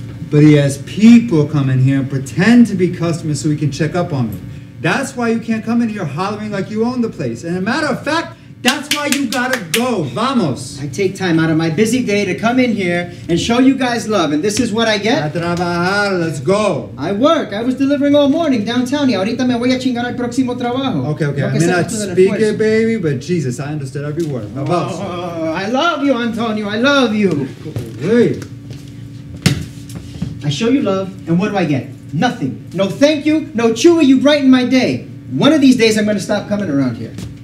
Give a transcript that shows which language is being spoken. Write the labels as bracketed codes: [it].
[en] But he has people come in here and pretend to be customers so he can check up on me. That's why you can't come in here hollering like you own the place. And a matter of fact, that's why you gotta go. [es] Vamos. [en] I take time out of my busy day to come in here and show you guys love. And this is what I get? [es] A trabajar. [en] Let's go. I work. I was delivering all morning downtown. [es] Y ahorita me voy a chingar al próximo trabajo. [en] Okay, okay. I may not speak it, baby, but Jesus, I understood every word. [es] Vamos. [en] Oh, I love you, Antonio. I love you. Hey. I show you love, and what do I get? Nothing. No thank you. No Chewy, you brighten my day. One of these days, I'm going to stop coming around here.